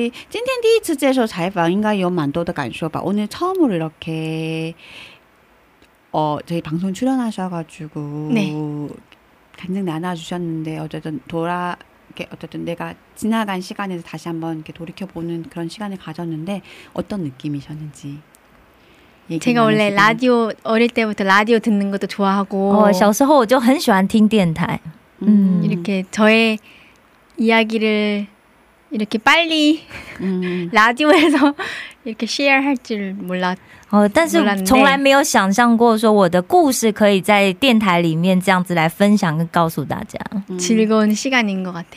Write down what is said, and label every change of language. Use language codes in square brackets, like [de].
[zh] 有了神的呼召也不好走，也不好走。哦，他那里也不如信到帕达多一个，特别偶六那里，很久，也不好走。哦，所以我们今天分享到这里吧，可是下周一起分，下周的话，我们一起分享一下。刚才他也说了嘛，他现在当了传道师，从一个传道师接到神的呼召，对，所以怎么接到上帝的呼召，还有他回到韩国之后，对，哦，所以这里面也有蛮多的故事。嗯，所以今天第一次接受采访，应该有蛮多的感受吧。 [ko] 오늘 처음으로 이렇게 저희 방송 출연하셔가지고 간증 나눠주셨는데 어쨌든 내가 지나간 시간에서 다시 한번 이렇게 돌이켜보는 그런 시간을 가졌는데 어떤 느낌이셨는지 제가 원래 라디오 어릴 때부터 라디오 듣는 것도 좋아하고 [zh] 小时候我就很喜欢听电台 [ko] 이렇게 저의 이야기를 이렇게 빨리 라디오에서 이렇게 share 할 줄 몰랐는데， [zh] 但是从来没有想象过说我的故事可以在电台里面这样子来分享跟告诉大家。 [ko] 즐거운 시간인 것